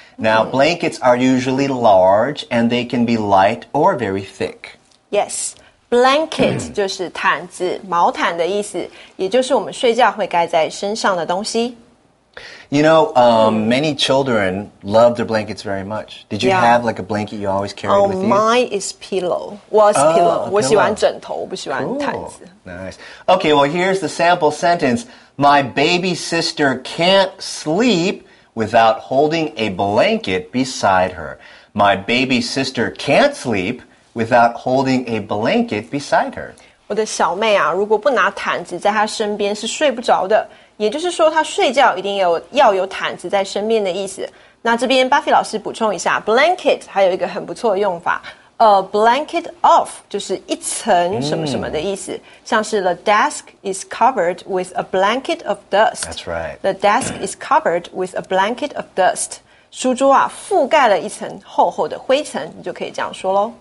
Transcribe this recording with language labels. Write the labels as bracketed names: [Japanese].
[English] Now, blankets are usually large, and they can be light or very thick. [Chinese] Yes, blanket 就是毯子、毛毯的意思，也就是我们睡觉会盖在身上的东西。 [English] You know, many children love their blankets very much. Did you have like a blanket you always carried with you? Mine is pillow. Was pillow. [Chinese] 我喜欢枕头，不喜欢毯子。 [English] Nice. Okay, well, here's the sample sentence. My baby sister can't sleep without holding a blanket beside her. My baby sister can't sleep without holding a blanket beside her. [Chinese] 我的小妹啊，如果不拿毯子在她身边是睡不着的。也就是说他睡觉一定要有毯子在身边的意思。那这边 Buffy 老师补充一下 ,blanket 还有一个很不错的用法。 [English] Blanket of [Chinese] 就是一层什么什么的意思。像是 [English] the desk is covered with a blanket of dust. That's right. The desk is covered with a blanket of dust. [Chinese] 书桌啊覆盖了一层厚厚的灰尘你就可以这样说咯。